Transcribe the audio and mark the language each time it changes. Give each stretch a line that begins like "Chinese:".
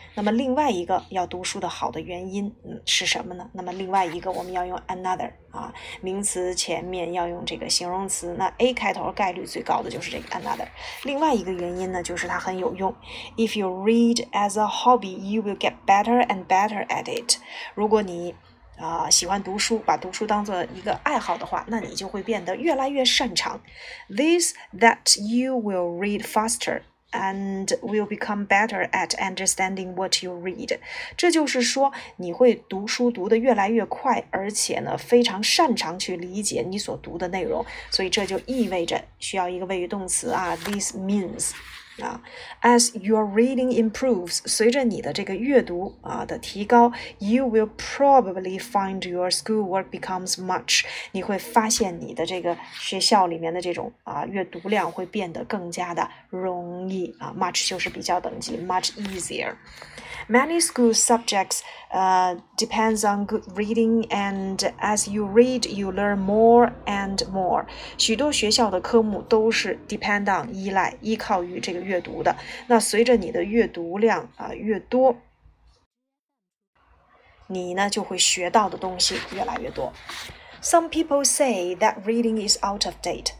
Chinese: 那么另外一个要读书的好的原因，是什么呢？那么另外一个我们要用 another 啊，名词前面要用这个形容词，那 A 开头概率最高的就是这个 another。另外一个原因呢，就是它很有用。
English: If you read as a hobby, you will get better and better at it.
Chinese: 如果你喜欢读书，把读书当作一个爱好的话，那你就会变得越来越擅长。
English: This that you will read faster and will become better at understanding what you read.
Chinese: 这就是说，你会读书读得越来越快，而且呢，非常擅长去理解你所读的内容。所以这就意味着需要一个谓语动词啊 ，
English: this means。 As your reading improves,
Chinese: 随着你的这个阅读啊的提高
English: ，you will probably find your schoolwork becomes much.
Chinese: 你会发现你的这个学校里面的这种啊阅读量会变得更加的容易啊 ，much 就是比较等级 ，much easier.
English: Many school subjects depends on good reading, and as you read, you learn more and more.
Chinese: 许多学校的科目都是 depend on 依靠于这个。阅读的，那随着你的阅读量啊越多，你呢就会学到的东西越来越多。
English: Some people say that reading is out of date.